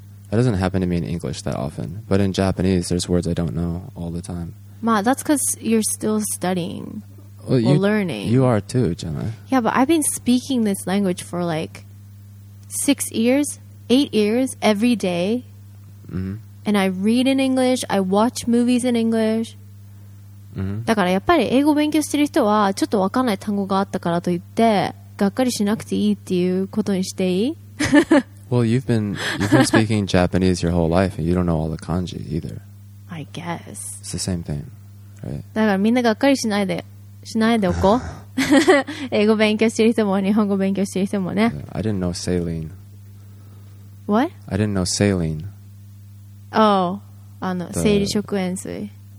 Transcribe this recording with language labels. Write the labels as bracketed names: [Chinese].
[English] That doesn't happen to me in English that often. But in Japanese, there's words I don't know all the time. Ma, that's because you're still studying. well, you, learning. You are too, Jenna. Yeah, but I've been speaking this language for like 6 years, 8 years every day. Mm-hmm. And I read in English. I watch movies in English. [Japanese] だからやっぱり英語勉強してる人はちょっと分かんない単語があったからといってがっかりしなくていいっていうことにしていい? [English] Well, you've been speaking Japanese your whole life and you don't know all the kanji either. I guess. It's the same thing, right? [Japanese] だからみんながっかりしないでおこう。英語勉強してる人も日本語勉強してる人もね。 [English] I didn't know saline. What? I didn't know saline. [Japanese] Oh,生理食塩水。